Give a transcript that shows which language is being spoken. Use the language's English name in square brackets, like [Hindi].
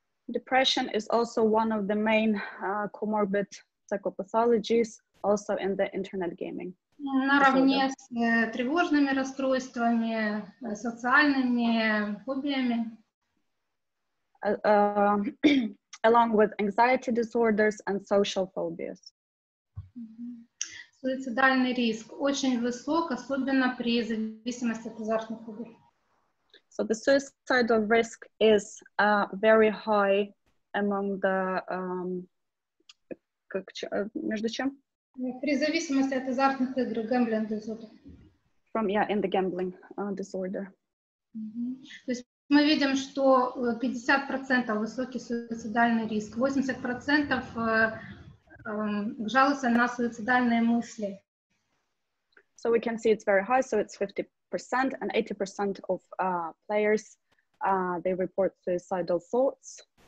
[English] Depression is also one of the main comorbid psychopathologies, also in the internet gaming. [Russian] Наравне с тревожными расстройствами, социальными фобиями. [English] Along with anxiety disorders and social phobias. [Russian] Суицидальный риск очень высок, особенно при зависимости от азартных игр. [English] So the suicidal risk is very high among the... [Russian] между чем? При зависимости от азартных игр, [English] gambling disorder. From, yeah, in the gambling disorder. [Russian] То есть мы видим, что 50% высокий суицидальный риск, 80% жалуются на суицидальные мысли. [English] So we can see it's very high, so it's 50%, and 80% of players, they report suicidal thoughts.